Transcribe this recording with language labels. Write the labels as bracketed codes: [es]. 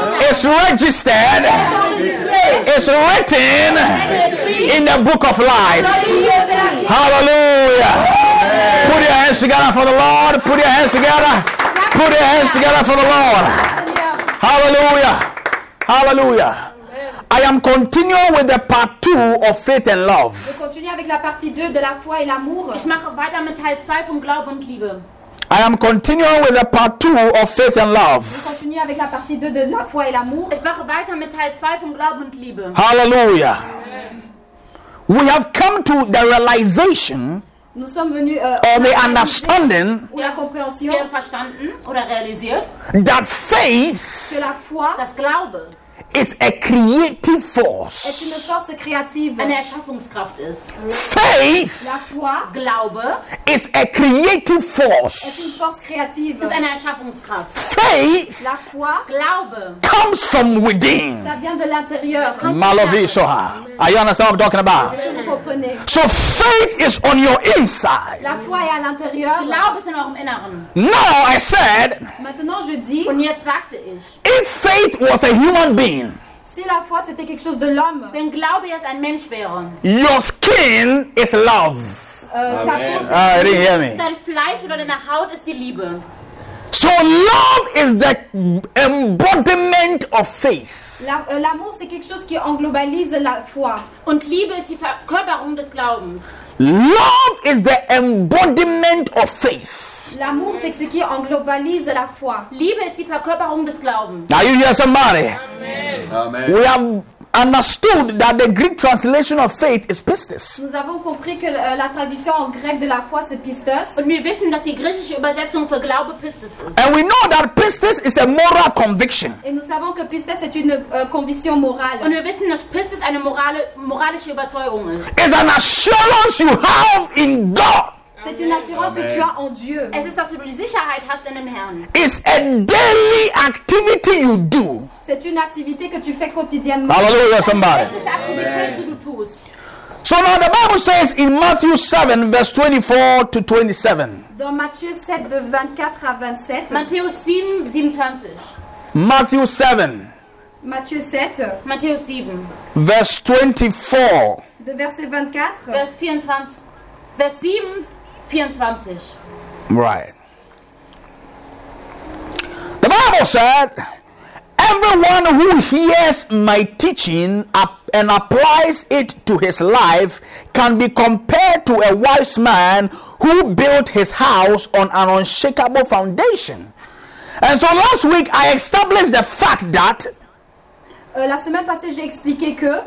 [en] It's registered. It's written in the book of life. Hallelujah. Put your hands together for the Lord. Put your hands together. Put your hands together for the Lord. Hallelujah. Hallelujah. I am continuing with the part 2 of faith and love. [fr] Je continue avec la partie 2 de la foi et l'amour. [de] Ich mache weiter mit Teil 2 vom Glauben und Liebe. [en] I am continuing with the part 2 of faith and love. [fr] Je continue avec la partie 2 de la foi et l'amour. [de] Ich mache weiter mit Teil 2 vom Glauben und Liebe. [en] Hallelujah. Amen. We have come to the realization. [fr] Nous sommes venus [en] or the understanding. [fr] Ou la compréhension. [de] Wir haben verstanden oder realisiert. [en] That faith. [fr] Que la foi. [de] Das Glaube. [en] Is a creative force. Es ist eine Force kreative. [de] Eine Erschaffungskraft ist. [en] Faith. [fr] La foi. [de] Glaube. [en] Is a creative force. Es ist eine Force kreative. [de] Ist eine Erschaffungskraft. [en] Faith. [fr] La foi. [de] Glaube. [en] Comes from within. [fr] Ça vient de l'intérieur. Malovi Soha. [en] Are you understand what I'm talking about? So faith is on your inside. [fr] La foi est à l'intérieur. [de] Glaube ist in eurem Inneren. [en] Now I said. [fr] Maintenant je dis. [de] Und jetzt sagte ich. [en] If faith was a human being. [fr] Si la foi c'était quelque chose de l'homme. [de] Wenn Glaube jetzt ein Mensch wäre. [en] Your skin is love. Ah, didn't hear me. [de] Dein Fleisch oder deine Haut ist die Liebe. [en] So love is the embodiment of faith. [fr] L'amour c'est quelque chose qui englobalise la foi. [de] Und Liebe ist die Verkörperung des Glaubens. [en] Love is the embodiment of faith. [fr] L'amour c'est ce qui englobalise la foi. [de] Liebe ist die Verkörperung des Glaubens. [en] Now you hear somebody. Amen. We have understood that the Greek translation of faith is pistis. [fr] Nous avons compris que la traduction en grec de la foi c'est pistis. [de] Und wir wissen, dass die griechische Übersetzung für Glaube pistis ist. [en] And we know that pistis is a moral conviction. [fr] Et nous savons que pistis est une conviction morale. [de] Und wir wissen, dass pistis eine moralische Überzeugung ist. [en] It's an assurance you have in God. [fr] C'est une assurance Amen. Que tu as en Dieu. [de] Es ist, dass du die Sicherheit hast in dem Herrn. [en] It's a daily activity you do. [fr] C'est une activité que tu fais quotidiennement. [en] Hallelujah, somebody. So now the Bible says in Matthew 7, verse 24 to 27. [fr] Dans Matthieu 7, de 24 à 27. Matthieu 7, 27. [en] Matthew 7. [fr] Matthieu 7. Matthieu 7. [en] Verse 24. [fr] De verset 24. [en] Verse 24. Verse 7. 24. Right. The Bible said, everyone who hears my teaching and applies it to his life can be compared to a wise man who built his house on an unshakable foundation. And so last week I established the fact that [fr] la semaine passée, j'ai expliqué que